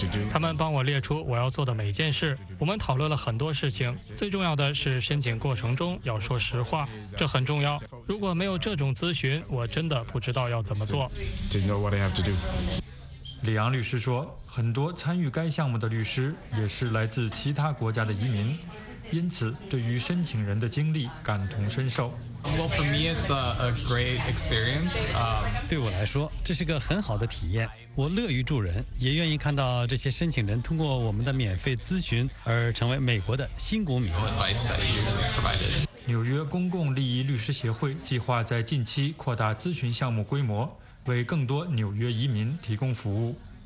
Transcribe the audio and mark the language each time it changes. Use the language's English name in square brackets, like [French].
[Chinese] 他们帮我列出我要做的每件事，我们讨论了很多事情，最重要的是申请过程中要说实话，这很重要。如果没有这种咨询，我真的不知道要怎么做。李昂律师说，很多参与该项目的律师也是来自其他国家的移民，因此对于申请人的经历感同身受。 [English] Well, for me, it's a great experience. [Chinese] 对我来说，这是个很好的体验。我乐于助人，也愿意看到这些申请人通过我们的免费咨询而成为美国的新公民。纽约公共利益律师协会计划在近期扩大咨询项目规模，为更多纽约移民提供服务。